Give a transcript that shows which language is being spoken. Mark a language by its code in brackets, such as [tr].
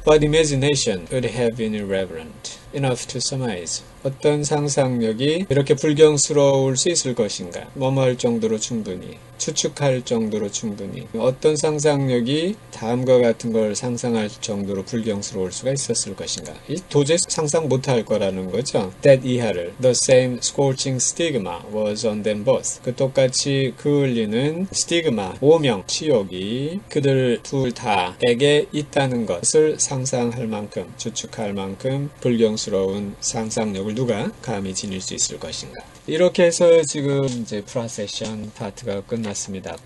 [en] What imagination would have been irreverent enough to surmise? [ko] 어떤 상상력이 이렇게 불경스러울 수 있을 것인가? 뭐뭐 할 정도로 충분히, 추측할 정도로 충분히, 어떤 상상력이 다음과 같은 걸 상상할 정도로 불경스러울 수가 있었을 것인가? 도저히 상상 못할 거라는 거죠. That 이하를. [en] The same scorching stigma was on them both. [ko] 그 똑같이 그을리는 stigma, 오명, 치욕이 그들 둘 다에게 있다는 것을 상상할 만큼, 추측할 만큼 불경스러운 상상력을 누가 감히 지닐 수 있을 것인가? 이렇게 해서 지금 이제 프로세션 파트가 끝났습니다.